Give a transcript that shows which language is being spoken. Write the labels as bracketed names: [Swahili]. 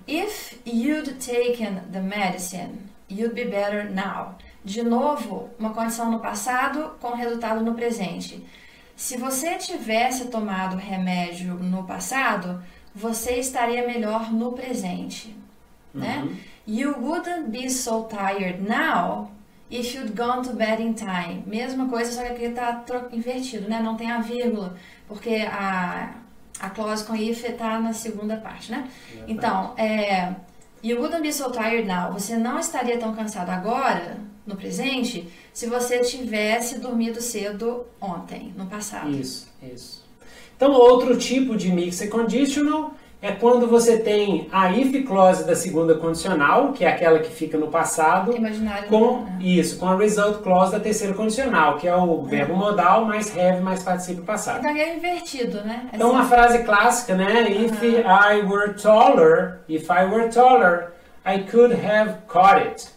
[English] If you'd taken the medicine, you'd be better now. [Portuguese] De novo, uma condição no passado com resultado no presente. Se você tivesse tomado remédio no passado, você estaria melhor no presente, né? [English] You wouldn't be so tired now if you'd gone to bed in time. [Portuguese] Mesma coisa, só que aqui está invertido, né? Não tem a vírgula, porque a clause com if está na segunda parte, né? Então, [English] you wouldn't be so tired now. [Portuguese] Você não estaria tão cansado agora, no presente, se você tivesse dormido cedo ontem, no passado. Isso. Então, outro tipo de mixed conditional é quando você tem a if clause da segunda condicional, que é aquela que fica no passado, Imaginário com no. isso, com a result clause da terceira condicional, que é o verbo modal mais have mais participio Então, passado. é invertido, né? Então, uma frase clássica, né? [English] If I were taller, I could have caught it.